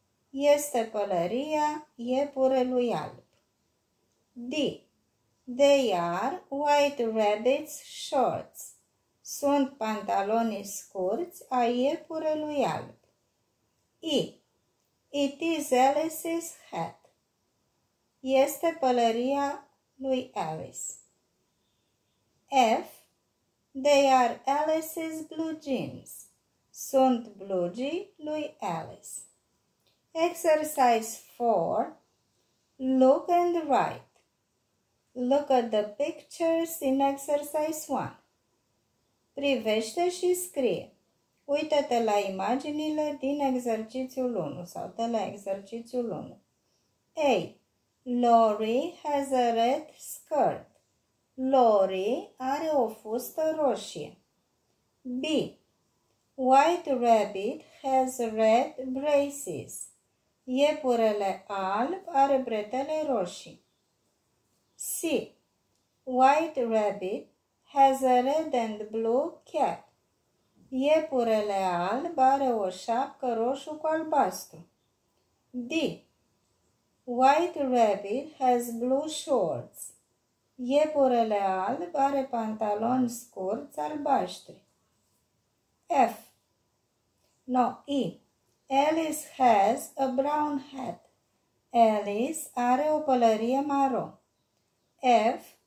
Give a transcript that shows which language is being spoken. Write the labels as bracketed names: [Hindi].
[Romanian] Este pălăria iepurelui alb. D. [English] They are white rabbit's shorts. [Romanian] Sunt pantalonii scurți a iepurelui alb. [English] E. It is Alice's hat. [Romanian] Este pălăria lui Alice. F. [English] They are Alice's blue jeans. [Romanian] Sunt blugii lui Alice. [English] Exercise 4. Look and write. Look at the pictures in exercise 1. [Romanian] Privește și scrie. Uită-te la imaginile din exercițiul 1 sau de la exercițiul 1. [English] A. Lori has a red skirt. [Romanian] Lori are o fustă roșie. B. [English] White rabbit has red braces. [Romanian] Iepurele alb are bretele roșii. C. [English] White rabbit has a red and blue cap. [Romanian] Iepurele alb are o șapcă roșu cu albastru. D. [English] White rabbit has blue shorts. [Romanian] Iepurele alb are pantaloni scurți albaștri. F. No, E. [English] Alice has a brown hat. [Romanian] Alice are o pălărie maro. F.